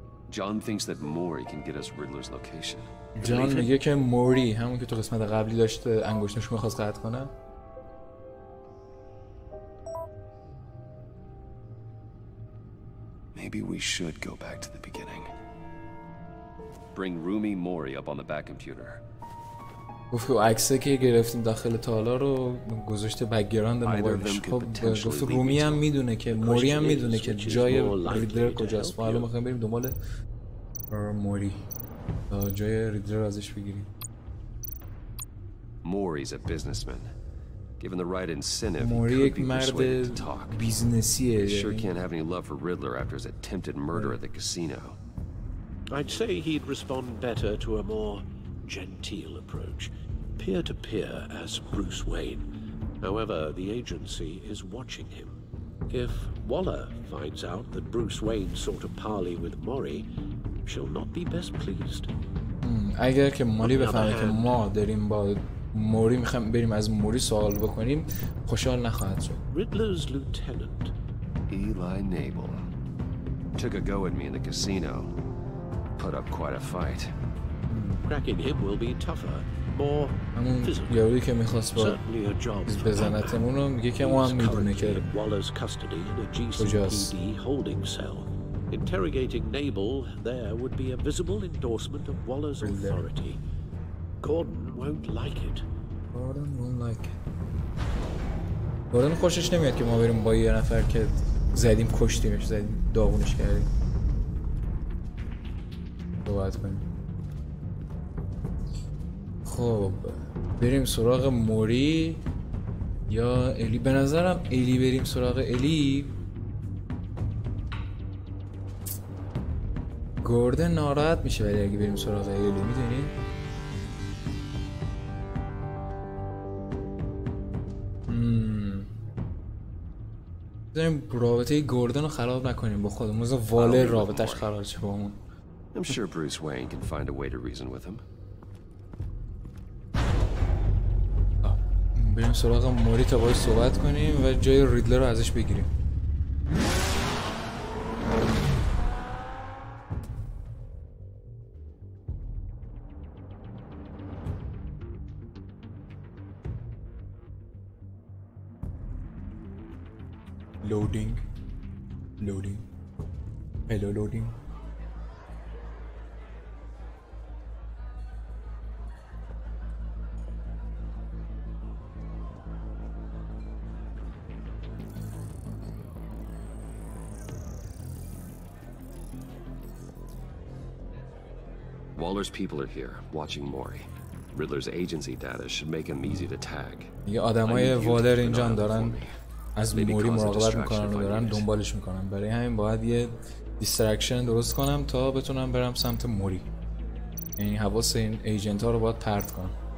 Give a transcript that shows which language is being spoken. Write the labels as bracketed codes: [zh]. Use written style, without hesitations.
[en] John thinks that Mori can get us Riddler's location. [fa] جان میگه که موری همون که تو قسمت قبلی داشت انگشتش رو می‌خواست قطع کنه. [en] Maybe we should go back to the beginning. Bring Rumi Mori up on the back computer. [fa] گفت عکسی که گرفتیم داخل تالار رو گذاشته بک‌گراند موبایلش. خب گفت رومی هم میدونه که موری هم میدونه که جای ریدر کجاست. حالا ما می‌خوایم بریم دنبال موری. جای ریدر ازش بگیریم. [en] Murray's a businessman. Given the right incentive, [fa] موری یک مرد بیزنسیه. [en] Sure can't have any love for Riddler after his attempted murder at the casino. I'd say he'd respond better to a more genteel approach peer to peer as Bruce Wayne however the agency is watching him if Waller finds out that Bruce Wayne sought a parley with Mori she'll not be best pleased [fa] اگر که مولی بفهمه که ما داریم با موری میخوایم بریم از موری سوال بکنیم خوشحال نخواهد شد [en] Riddler's lieutenant Eli Nable took a go at me in the casino put up quite a fight Cracking him will be tougher, more physical. Certainly a job for him. He's currently in Waller's custody in a GCPD holding cell. Interrogating Nable there would be a visible endorsement of Waller's authority. Gordon won't like it. Gordon won't like it. [fa] Gordon خوشش نمیاد که ما بریم با یه نفر که زدیم کشتیمش زدیم داغونش کردیم. باید کنیم. خب بریم سراغ موری یا الی به نظرم الی بریم سراغ الی گوردن ناراحت میشه ولی اگه بریم سراغ الی میدونی مم. داریم رابطه گوردن رو خراب نکنیم با خودمون، موزه والر رابطش خراب شه با همون. [en] I'm sure Bruce Wayne can find a way to reason with him. [fa] بریم سراغ موری تا باید صحبت کنیم و جای ریدلر رو ازش بگیریم. [en] Loading. Hello, loading. Waller's people are here, watching Mori. Riddler's agency data should make him easy to tag. [fa] یه آدمای والر اینجا دارن از موری مراقبت میکنن و دارن دنبالش میکنن، برای همین باید یه دیسترکشن درست کنم تا بتونم برم سمت موری. یعنی حواس این ایجنت ها رو باید پرت کنم.